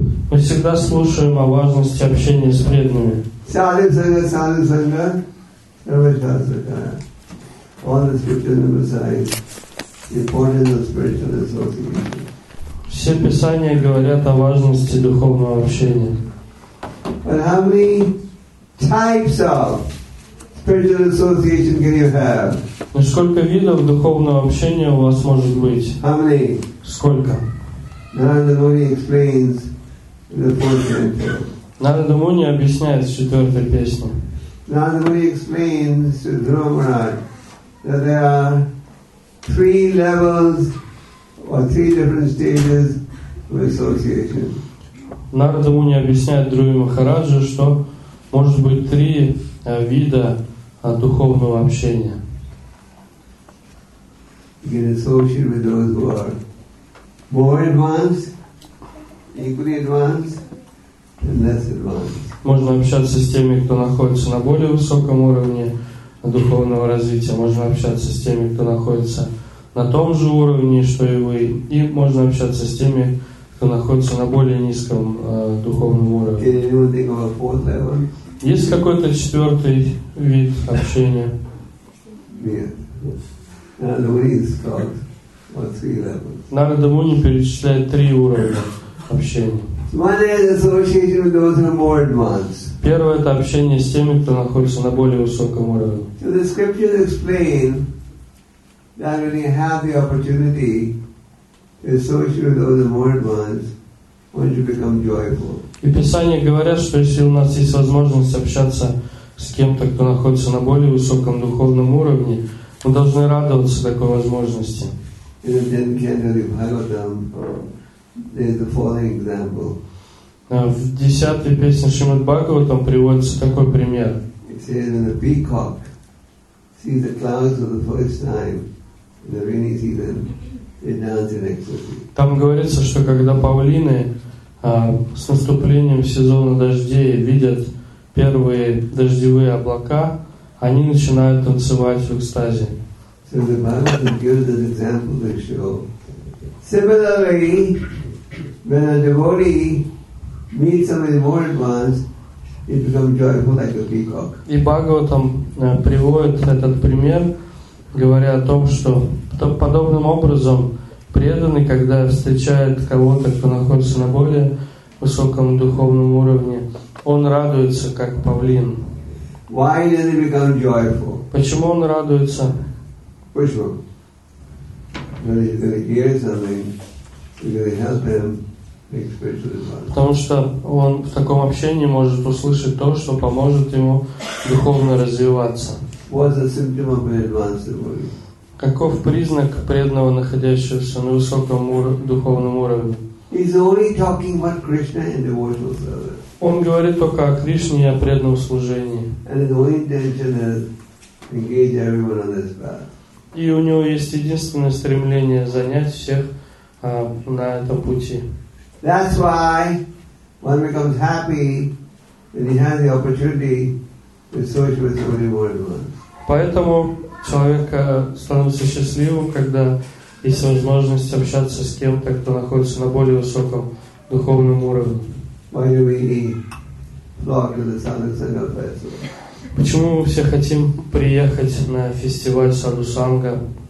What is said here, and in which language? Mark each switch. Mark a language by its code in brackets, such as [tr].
[ru] Мы всегда слушаем о важности общения с преданными. Все писания говорят о важности духовного общения. [en] But how many types of spiritual association can you have? [ru] Сколько видов духовного общения у вас может быть? [en] How many? [ru] Сколько? [en] Narada Muni explains the fourth canto. [ru] Narada Muni объясняет в четвертой песне. [en] Narada Muni explains to Dhruva Maharaj that there are three levels or three different stages of association. [ru] Narada Muni объясняет Друве Махараджу, что может быть три вида духовного общения. [en] You can associate with those who are more advanced, equally advanced, and less advanced. [ru] Можно общаться с теми, кто находится на более высоком уровне духовного развития. Можно общаться с теми, кто находится на том же уровне, что и вы. И можно общаться с теми, кто находится на более низком духовном уровне. [en] Can you think of a fourth level? [ru] Есть какой-то четвертый вид общения? Нет. [en] Yes. Yes. Yes. [ru] Narada Muni перечисляет три уровня общения. [en] One is association with those who are more advanced. [ru] Первое это общение с теми, кто находится на более высоком уровне. [en] So the scriptures explain that when you have the opportunity to associate with those who are more advanced, when you become joyful. [ru] И Писания говорят, что если у нас есть возможность общаться с кем-то, кто находится на более высоком духовном уровне, мы должны радоваться такой возможности. [en] In the 10th canto of Bhagavatam, there is the following example. [ru] В десятой песне Шримад Бхагаватам приводится такой пример. [en] It says, when the peacock sees the clouds for the first time in the rainy season, they dance in ecstasy. [ru] Там говорится, что когда павлины с наступлением сезона дождей видят первые дождевые облака, они начинают танцевать в экстазе. [en] So the Bhagavatam gives an example to show. Similarly, when a devotee meets somebody more advanced, he becomes joyful like a peacock. [ru] И Бхагаватам приводит этот пример, говоря о том, что подобным образом преданный, когда встречает кого-то, кто находится на более высоком духовном уровне, он радуется как павлин. [en] Why does he become joyful? [ru] Почему он радуется? [en] Which one? When he's going to hear something, he's going to help him make spiritual advance. [ru] Потому что он в таком общении может услышать то, что поможет ему духовно развиваться. [en] What's the symptom of an advanced devotee? [ru] Каков признак преданного, находящегося на высоком духовном уровне? [en] He's only talking about Krishna and devotional service. [ru] Он говорит только о Кришне и о преданном служении. [en] And his only intention is to engage everyone on this path. [ru] И у него есть единственное стремление занять всех на этом пути. [en] That's why one becomes happy when he has the opportunity to associate with somebody more advanced. [ru] Поэтому человек становится счастливым, когда есть возможность общаться с кем-то, кто находится на более высоком духовном уровне. [en] Why do we flock to the Sadhu Sangha Festival? [ru] Почему мы все хотим приехать на фестиваль Саду Санга?